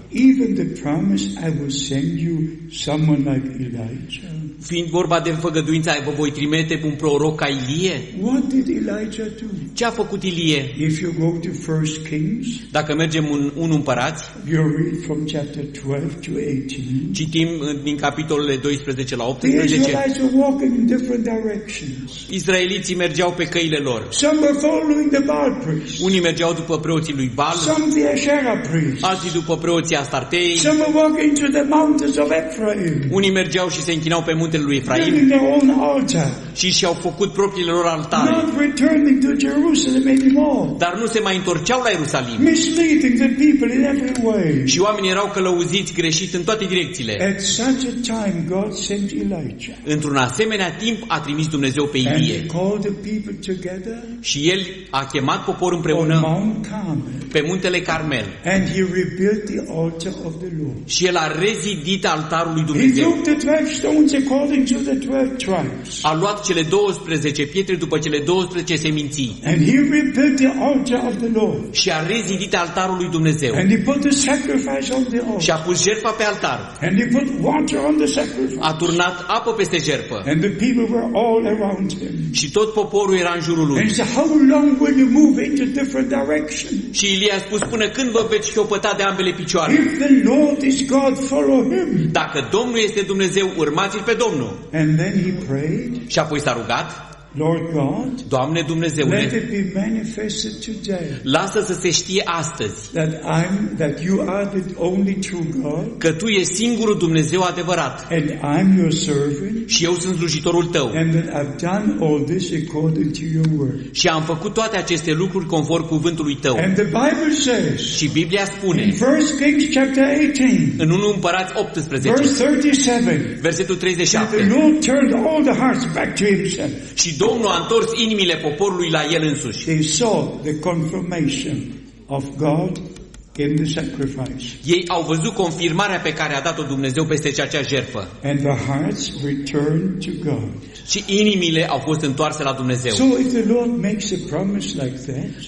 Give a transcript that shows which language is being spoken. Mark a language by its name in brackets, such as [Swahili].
[English] Even the promise I will send you someone like Elijah. [Romanian] Fiind vorba de făgăduința, vă voi trimite un proroc ca Ilie? [English] What did Elijah do? [Romanian] Ce a făcut Ilie? [English] If you go to First Kings, [Romanian] dacă mergem în 1 Împărați, [English] you read from chapter 12 to 18, [Romanian] citim din capitolele 12 la 18, [English] the Israelites were walking in different directions. [Romanian] Israeliții mergeau pe căile lor. [English] Some were following the Baal priests. [Romanian] Unii mergeau după preoții lui Baal, [English] some the Asherah priests. [Romanian] Alții după preoții Astartei. [English] Some were walking to the mountains of Ephraim. [Romanian] Unii mergeau și se închinau pe muntele lui Efraim și și-au făcut propriile lor altare. [English] Not returning to Jerusalem anymore. [Romanian] Dar nu se mai întorceau la Ierusalim. [English] Misleading the people in every way. [Romanian] Și oamenii erau călăuziți greșit în toate direcțiile. [English] At such a time God sent Elijah. [Romanian] Într-un asemenea timp a trimis Dumnezeu pe Ilie. [English] And he called the people together. [Romanian] Și el a chemat popor împreună [English] on Mount Carmel. [Romanian] Pe muntele Carmel. [English] And he rebuilt the altar of the Lord. [Romanian] Și el a rezidit altarul lui Dumnezeu. [English] He took the 12 stones according to the 12 tribes. [Romanian] A luat cele 12 pietre după cele 12 seminții. [English] And he rebuilt the altar of the Lord. [Romanian] Și a rezidit altarul lui Dumnezeu. [English] And he put the sacrifice on the altar. [Romanian] Și a pus jertfa pe altar. [English] And he put water on the sacrifice. [Romanian] A turnat apă peste jertfă. [English] And the people were all around him. [Romanian] Și tot poporul era în jurul lui. [English] And he said, how long will you move into different directions? [Romanian] Și Ilie a spus, până când vă veți șopăta de ambele picioare? [English] If the Lord is God, follow him. [Romanian] Dacă Domnul este Dumnezeu, urmați pe Domnul. [English] And then he prayed. [Romanian] Și apoi s-a rugat. [English] Lord God, [Romanian] Doamne Dumnezeule, [English] let it be manifested today. [Romanian] Lasă să se știe astăzi. [English] That you are the only true God. [Romanian] Că tu ești singurul Dumnezeu adevărat. [English] And I'm your servant. [Romanian] Și eu sunt slujitorul tău. [English] And that I've done all this according to your word. [Romanian] Și am făcut toate aceste lucruri conform cuvântului tău. [English] And the Bible says. [Romanian] Și Biblia spune. [English] In 1 Kings chapter 18. [Romanian] În 1 Împărați 18. [English] Verse 37. [Romanian] Versetul 37. [English] The Lord turned all the hearts back to himself. [Romanian] Și Domnul a întors inimile poporului la El însuși. [English] They saw the confirmation of God in the sacrifice. [Romanian] Ei au văzut confirmarea pe care a dat-o Dumnezeu peste cea ce a jertfă. [English] And the hearts returned to God. [Romanian] Și inimile au fost întoarse la Dumnezeu. [English] So if the Lord makes a promise like that,